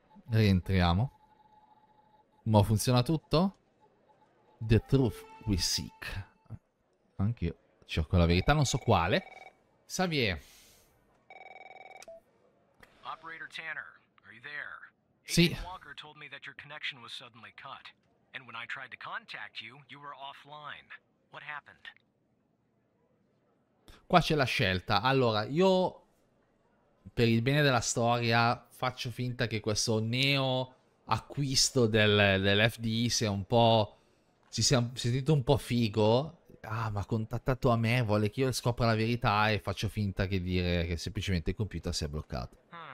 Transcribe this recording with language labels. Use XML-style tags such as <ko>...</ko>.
<it>Rientriamo. Ma funziona tutto?</it> <en>The truth we seek.</en> <it>Anche io cerco la verità, non so quale.</it> <en>Xavier. Operator Tanner, are you there? Sì. Agent Walker told me that your connection was suddenly cut. And when I tried to contact you, you were offline. What happened?</en> <it>Qua c'è la scelta. Allora, io, per il bene della storia, faccio finta che questo neo acquisto dell'FDI sia un po'. Si sia sentito un po' figo. Ah, ma ha contattato a me, vuole che io scopra la verità, e faccio finta che dire che semplicemente il computer si è bloccato.</it>